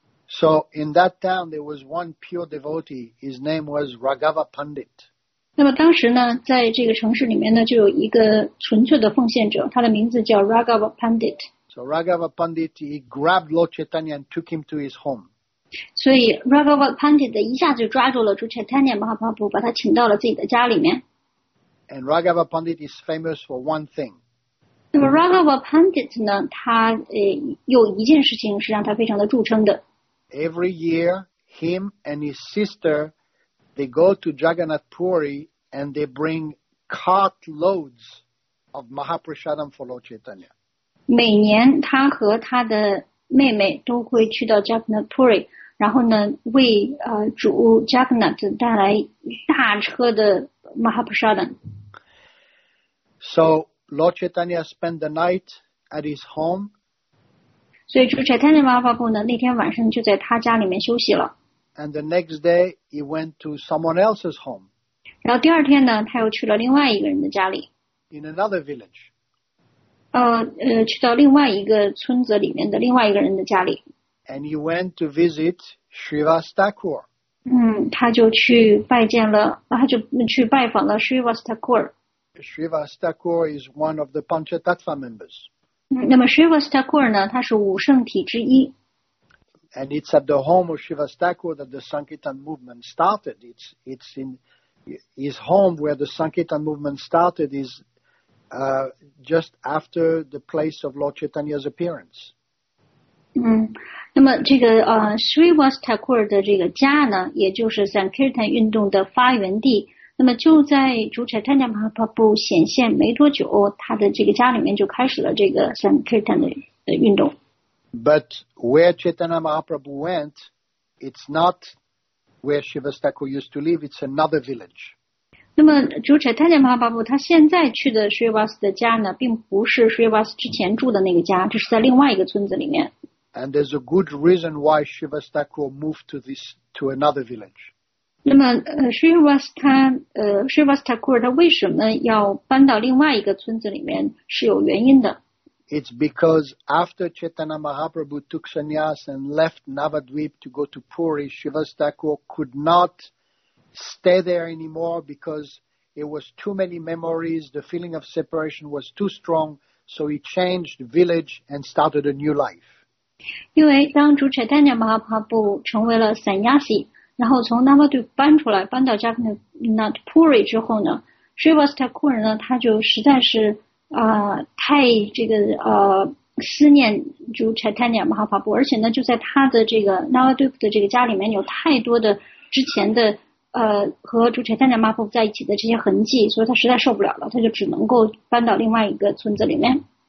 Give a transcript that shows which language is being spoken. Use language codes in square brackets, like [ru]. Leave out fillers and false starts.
[en] So in that town there was one pure devotee. His name was Raghava Pandit. [zh] 那么当时呢，在这个城市里面呢，就有一个纯粹的奉献者，他的名字叫 Raghava Pandit. [en] So Raghava Pandit, he grabbed Lord Chaitanya and took him to his home. [zh] 所以 Raghava Pandit 一下就抓住了 Chaitanya Mahaprabhu, 把他请到了自己的家里面。 [en] And Raghava Pandit is famous for one thing. [zh] 那么 Raghava Pandit 呢，他有一件事情是让他非常的著称的。 [en] Every year, him and his sister, they go to Jagannath Puri and they bring cartloads of Mahaprasadam for Lord Chaitanya. [zh] 每年他和他的妹妹都会去到 Jagannath Puri, 然后呢为主 Jagannath 带来大车的 Mahaprasadam. [en] So Lord Chaitanya spent the night at his home. [zh] 所以主 Chaitanya Mahaprabhu 呢那天晚上就在他家里面休息了。 [en] And the next day he went to someone else's home. [zh] 然后第二天呢他又去了另外一个人的家里。 [en] In another village. [zh] 去到另外一个村子里面的另外一个人的家里。 [en] And he went to visit Srivas Thakur. [zh] 他就去拜见了，他就去拜访了 Srivas Thakur. [en] Srivas Thakur is one of the Panchatattva members. [zh] 那么 Srivas Thakur 呢，他是五圣体之一。 [en] And it's at the home of Srivas Thakur that the Sankirtan movement started. It's in his home where the Sankirtan movement started is. Just after the place of Lord Chaitanya's appearance. [zh] 那么这个Srivas Thakur 的这个家呢，也就是 Sankirtan 运动的发源地。那么就在主 Chaitanya Mahaprabhu 显现没多久，他的这个家里面就开始了这个 Sankirtan 的运动。 [en] But where Chaitanya Mahaprabhu went, it's not where Srivas Thakur used to live. It's another village. [zh] 那么主 Chaitanya Mahaprabhu 他现在去的 Srivas 的家呢并不是 Srivas 之前住的那个家这是在另外一个村子里面。 [en] And there's a good reason why Srivas Thakur moved to another village. [zh] 那么Srivas Thakur 他为什么要搬到另外一个村子里面是有原因的。 [en] It's because after Chaitanya Mahaprabhu took sannyas and left Navadvip to go to Puri, Srivas Thakur could notstay there anymore because it was too many memories, the feeling of separation was too strong, so he changed village and started a new life. [zh] 因为当主 Chaitanya Mahaprabhu 成为了 Sanyasi, 然后从 Navadvip 搬出来搬到 Jagannath Puri 之后呢 Srivas Thakur 呢他就实在是太这个思念主 Chaitanya Mahaprabhu, 而且呢就在他的这个 Navadvip 的这个家里面有太多的之前的和主 Chaitanya Mahaprabhu 在一起的这些痕迹，所以他实在受不了了，他就只能够搬到另外一个村子里面。